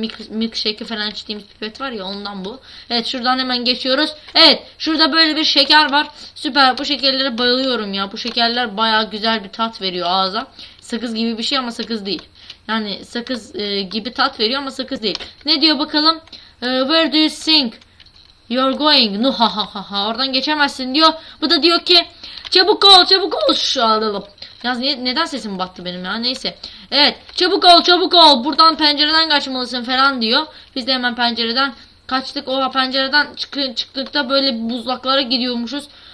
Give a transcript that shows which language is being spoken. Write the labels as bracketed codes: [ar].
[tr] Milkshake falan içtiğimiz pipet var ya, ondan bu. Evet, şuradan hemen geçiyoruz. Evet, şurada böyle bir şeker var. Süper, bu şekerlere bayılıyorum ya. Bu şekerler bayağı güzel bir tat veriyor ağza. Sakız gibi bir şey ama sakız değil. Yani sakız gibi tat veriyor ama sakız değil. Ne diyor bakalım? [en] Where do you think you're going? No, ha ha ha ha. [tr] Oradan geçemezsin diyor. Bu da diyor ki çabuk ol şu alalım. Yalnız neden sesim battı benim ya, neyse. Evet, çabuk ol buradan pencereden kaçmalısın falan diyor. Biz de hemen pencereden kaçtık. Oha, pencereden çıktıkta böyle buzlaklara gidiyormuşuz.